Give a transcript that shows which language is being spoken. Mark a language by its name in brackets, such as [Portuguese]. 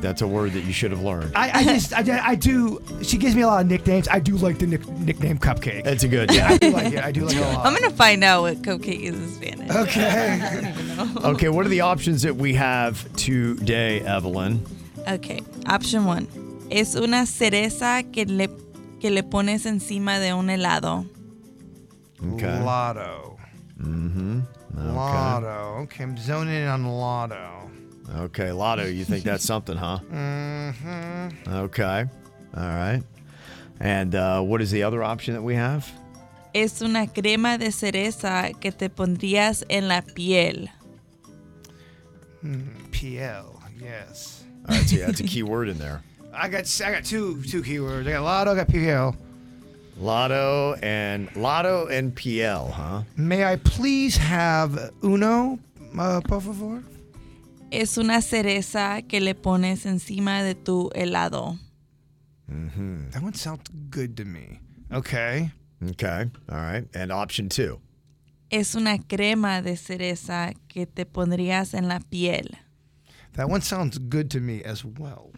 [English] That's a word that you should have learned. I do. She gives me a lot of nicknames. I do like the nickname Cupcake. That's a good. Yeah, I do like it. I do like it a lot. I'm going to find out what Cupcake is in Spanish. Okay. Okay. What are the options that we have today, Evelyn? Okay. Option one. [Spanish] Es una cereza que le pones encima de un helado. [English] Okay. Lotto. Mm-hmm. Okay. Lotto. Okay, I'm zoning in on Lotto. Okay, Lotto, you think that's something, huh? Mm-hmm. Okay. All right. And what is the other option that we have? [Spanish] Es una crema de cereza que te pondrías en la piel. [English] Piel, yes. All right, so yeah, that's a key word in there. I got two keywords. I got Lotto, I got PL. Lotto and PL, huh? May I please have [Spanish] uno, por favor? Es una cereza que le pones encima de tu helado. [English] Mm-hmm. That one sounds good to me. Okay. Okay. All right. And option two. [Spanish] Es una crema de cereza que te pondrías en la piel. [English] That one sounds good to me as well.